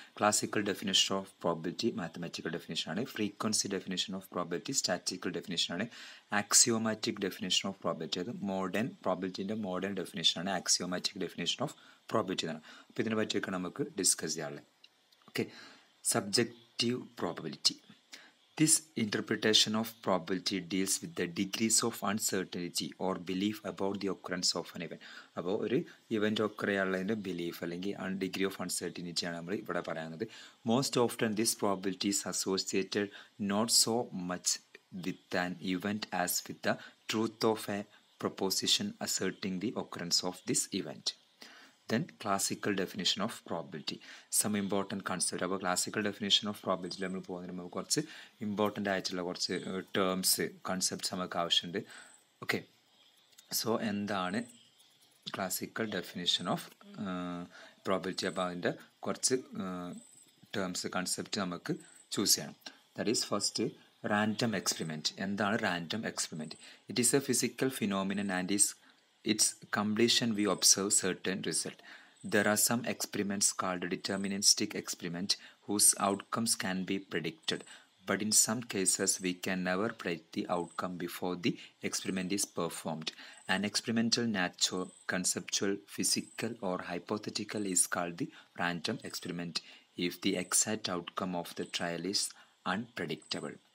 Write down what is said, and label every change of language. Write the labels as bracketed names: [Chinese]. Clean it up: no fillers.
[Malayalam] Classical definition of probability mathematical ഡെഫിനിഷനാണ്. Frequency definition of probability സ്റ്റാറ്റിക്കൽ ഡെഫിനിഷനാണ്. Axiomatic definition of probability, അത് modern പ്രോബബിലിറ്റിൻ്റെ modern ഡെഫിനിഷനാണ് axiomatic definition of probability എന്നാണ്. അപ്പോൾ ഇതിനെ പറ്റിയൊക്കെ നമുക്ക് discuss ചെയ്യാനുള്ളത്. Okay, subjective probability. [English] This interpretation of probability deals with the degrees of uncertainty or belief about the occurrence of an event. [Malayalam] അപ്പോൾ ഒരു event ഒക്കെ ഉള്ളതിൻ്റെ ബിലീഫ് അല്ലെങ്കിൽ ഡിഗ്രി ഓഫ് അൺസെർട്ടിനിറ്റിയാണ് നമ്മൾ ഇവിടെ പറയുന്നത്. [English] Most of time this probability is associated not so much with an event as with the truth of a proposition asserting the occurrence of this event. Then classical definition of probability, some important concept. [Malayalam] അപ്പോൾ classical definition of probability നമ്മൾ പോകുന്നതിന് മുമ്പ് കുറച്ച് important ആയിട്ടുള്ള കുറച്ച് terms concepts നമുക്ക് ആവശ്യമുണ്ട്. Okay, so എന്താണ് ക്ലാസിക്കൽ ഡെഫിനിഷൻ ഓഫ് പ്രോബബിലിറ്റി? അപ്പോൾ അതിൻ്റെ കുറച്ച് ടേംസ് കൺസെപ്റ്റ് നമുക്ക് ചൂസ് ചെയ്യണം. [English] That is first, random experiment. എന്താണ് random experiment? It is a physical phenomenon and is its completion we observe certain result. There are some experiments called deterministic experiment whose outcomes can be predicted, but in some cases we can never predict the outcome before the experiment is performed. An experimental nature, conceptual, physical or hypothetical is called the random experiment if the exact outcome of the trial is unpredictable.